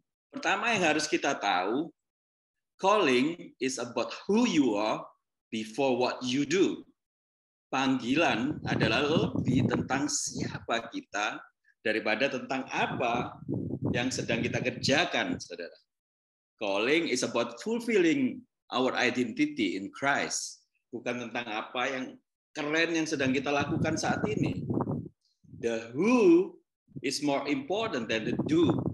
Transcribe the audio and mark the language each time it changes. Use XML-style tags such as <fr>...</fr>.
<id>Pertama yang harus kita tahu,</id> <en>calling is about who you are before what you do.</en> <id>Panggilan adalah lebih tentang siapa kita daripada tentang apa yang sedang kita kerjakan, saudara.</id> <en>Calling is about fulfilling our identity in Christ.</en> <id>Bukan tentang apa yang keren yang sedang kita lakukan saat ini.</id> <en>The who is more important than the do.</en>